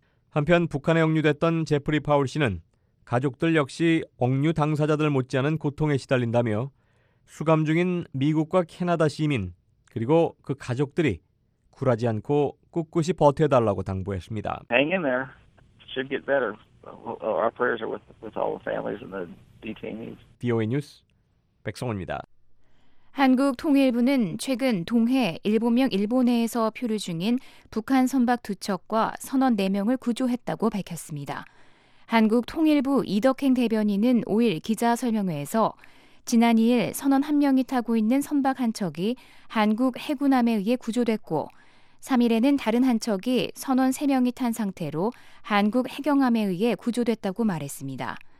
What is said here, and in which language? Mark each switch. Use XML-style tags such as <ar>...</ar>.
<ko>한편 북한에 억류됐던 제프리 파울 씨는 가족들 역시 억류 당사자들 못지않은 고통에 시달린다며 수감 중인 미국과 캐나다 시민 그리고 그 가족들이 굴하지 않고 꿋꿋이 버텨달라고 당부했습니다.</ko> <en>Hang in there. Should get better. Our prayers are with all the families and the detainees.</en> <ko>VOA 뉴스 백성원입니다. 한국 통일부는 최근 동해 일본명 일본해에서 표류 중인 북한 선박 두 척과 선원 4명을 구조했다고 밝혔습니다. 한국 통일부 이덕행 대변인은 5일 기자 설명회에서 지난 2일 선원 한 명이 타고 있는 선박 한 척이 한국 해군함에 의해 구조됐고 3일에는 다른 한 척이 선원 3명이 탄 상태로 한국 해경함에 의해 구조됐다고 말했습니다.</ko>